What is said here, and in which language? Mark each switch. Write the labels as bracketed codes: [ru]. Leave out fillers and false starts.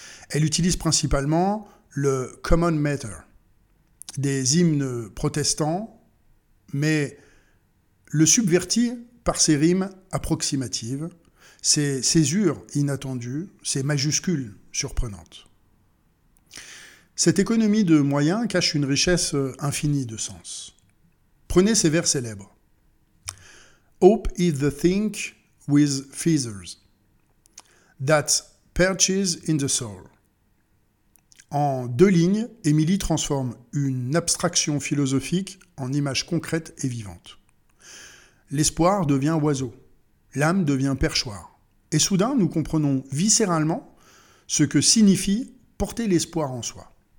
[fr] Elle utilise principalement le « common matter », des hymnes protestants, mais le subvertit par ses rimes approximatives, ses césures inattendues, ses majuscules surprenantes. Cette économie de moyens cache une richesse infinie de sens. Prenez ces vers célèbres. [en] Hope is the thing with feathers that perches in the soul. [fr] En deux lignes, Émilie transforme une abstraction philosophique en image concrète et vivante. L'espoir devient oiseau, l'âme devient perchoir. Et soudain, nous comprenons viscéralement ce que signifie porter l'espoir en soi.